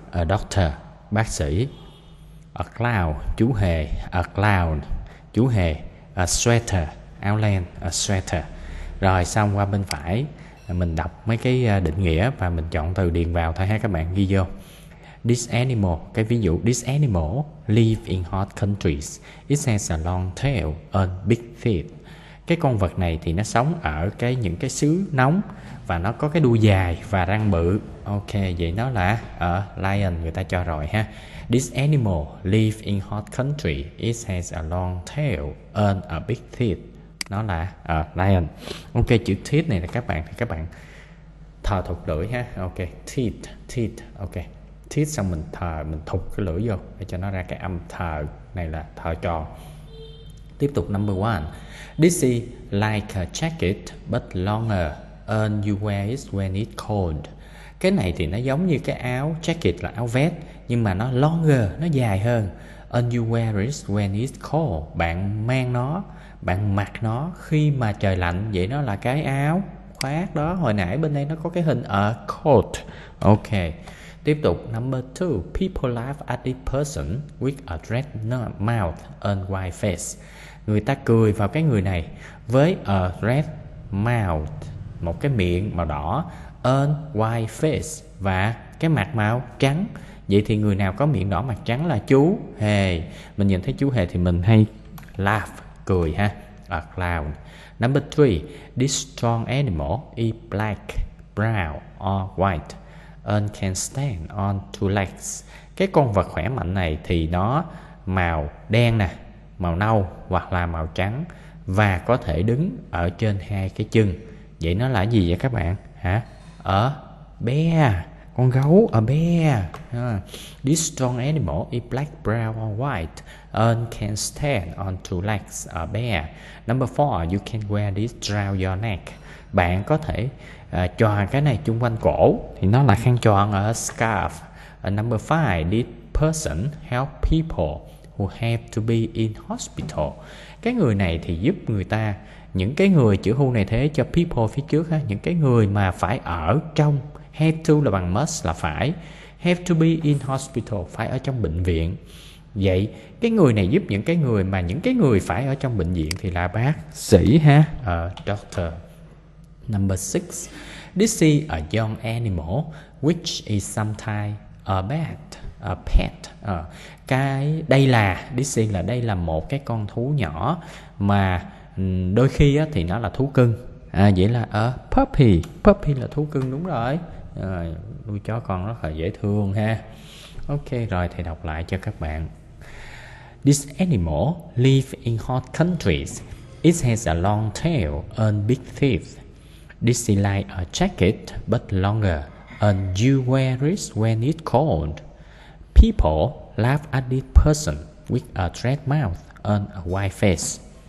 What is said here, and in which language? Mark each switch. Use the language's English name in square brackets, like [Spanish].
[English] A doctor, [Vietnamese] bác sĩ. [English] A clown, [Vietnamese] chú hề. [English] A clown, [Vietnamese] chú hề. [English] A sweater, [Vietnamese] áo len. [English] A sweater. [Vietnamese] Rồi xong qua bên phải mình đọc mấy cái định nghĩa và mình chọn từ điền vào thôi ha các bạn, ghi vô. [English] This animal, [Vietnamese] cái ví dụ [English] this animal live in hot countries. It has a long tail and big feet. [Vietnamese] Cái con vật này thì nó sống ở cái những cái xứ nóng và nó có cái đuôi dài và răng bự. Ok, vậy nó là ở lion, người ta cho rồi ha. [English] This animal live in hot country. It has a long tail and a big teeth. [Vietnamese] Nó là ở lion. Ok, chữ teeth này là các bạn thì các bạn thờ thụt lưỡi ha. Ok, teeth, teeth. Ok, teeth xong mình thờ, mình thụt cái lưỡi vô để cho nó ra cái âm thờ này là thờ tròn. Tiếp tục [English] number one. This is like a jacket but longer and you wear it when it's cold. [Vietnamese] Cái này thì nó giống như cái áo jacket là áo vest nhưng mà nó longer, nó dài hơn. [English] And you wear it when it's cold. [Vietnamese] Bạn mang nó, bạn mặc nó khi mà trời lạnh. Vậy nó là cái áo khoác đó. Hồi nãy bên đây nó có cái hình [English] a coat. [Vietnamese] Ok. Tiếp tục [English] number two. People laugh at this person with a red mouth and wide face. [Vietnamese] Người ta cười vào cái người này với [English] a red mouth, [Vietnamese] một cái miệng màu đỏ, [English] and white face, [Vietnamese] và cái mặt màu trắng. Vậy thì người nào có miệng đỏ mặt trắng là chú hề. Mình nhìn thấy chú hề thì mình hay laugh, cười ha. [English] A clown. Number three. This strong animal is black, brown or white and can stand on two legs. [Vietnamese] Cái con vật khỏe mạnh này thì nó màu đen nè, màu nâu hoặc là màu trắng và có thể đứng ở trên hai cái chân. Vậy nó là gì vậy các bạn? Hả? [English] A bear, [Vietnamese] con gấu. A bear. [English] This strong animal is black, brown or white and can stand on two legs. A bear. Number four. You can wear this around your neck. [Vietnamese] Bạn có thể choàng cái này chung quanh cổ thì nó là khăn choàng. [English] A scarf. Number five. This person help people who have to be in hospital. [Vietnamese] Cái người này thì giúp người ta, những cái người chữ who này thế cho people phía trước ha, những cái người mà phải ở trong, have to là bằng must là phải, [English] have to be in hospital, [Vietnamese] phải ở trong bệnh viện. Vậy cái người này giúp những cái người mà những cái người phải ở trong bệnh viện thì là bác sĩ ha. [English] Doctor. Number six. This is a young animal which is sometimes a bat, a pet. [Vietnamese] Cái đây là, [English] this is [Vietnamese] là đây là một cái con thú nhỏ mà đôi khi á, thì nó là thú cưng. Vậy là [English] a puppy. [Vietnamese] Puppy là thú cưng, đúng rồi. Nuôi chó con rất là dễ thương ha. Ok, rồi thầy đọc lại cho các bạn. [English] This animal live in hot countries. It has a long tail and big teeth. This is like a jacket but longer and you wear it when it's cold. People laugh at this person with a red mouth and a white face.